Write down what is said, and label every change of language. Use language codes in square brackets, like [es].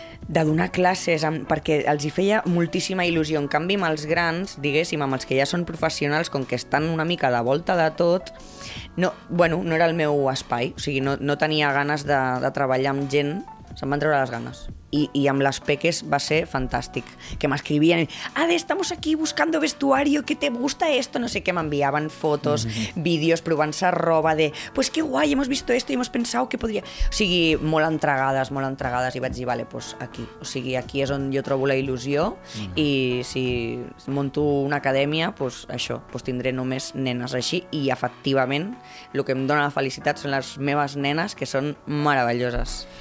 [ca] de donar classes, perquè els hi feia moltíssima il·lusió. En canvi, amb els grans, diguéssim, amb els que ja són professionals, com que estan una mica de volta de tot, no, bueno, no era el meu espai. O sigui, no, no tenia ganes de treballar amb gent. Se'm van treure les ganes. I amb les peques va ser fantàstic. Que m'escrivien, [es] Ade, estamos aquí buscando vestuario, que te gusta esto, [ca] no sé què, m'enviaven fotos, vídeos, provant-se roba de, [es] pues qué guay, hemos visto esto y hemos pensado que podría... [ca] O sigui, molt entregades, molt entregades, i vaig dir, vale, pues aquí. O sigui, aquí és on jo trobo la il·lusió, i si monto una acadèmia, pues això, pues tindré només nenes així, i efectivament, el que em dona la felicitat són les meves nenes, que són meravelloses.